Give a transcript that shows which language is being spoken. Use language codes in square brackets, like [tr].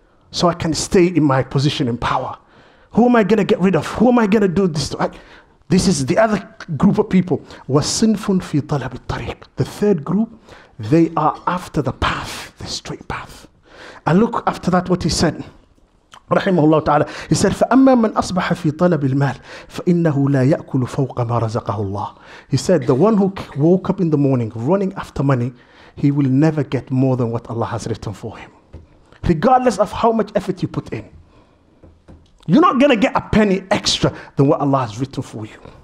[en] So I can stay in my position in power. Who am I going to get rid of? Who am I going to do this to? This is the other group of people. [ar] وَالسِّنْفٌ فِي طَلَبِ الطَّرِيقِ. [en] The third group, they are after the path, the straight path. And look after that what he said. [ar] رحمه الله تعالى. [en] He said, [ar] فأما من أصبح في طلب المال فإنه لا يأكل فوق ما رزقه الله. [en] He said, the one who woke up in the morning running after money, he will never get more than what Allah has written for him. Regardless of how much effort you put in, you're not going to get a penny extra than what Allah has written for you.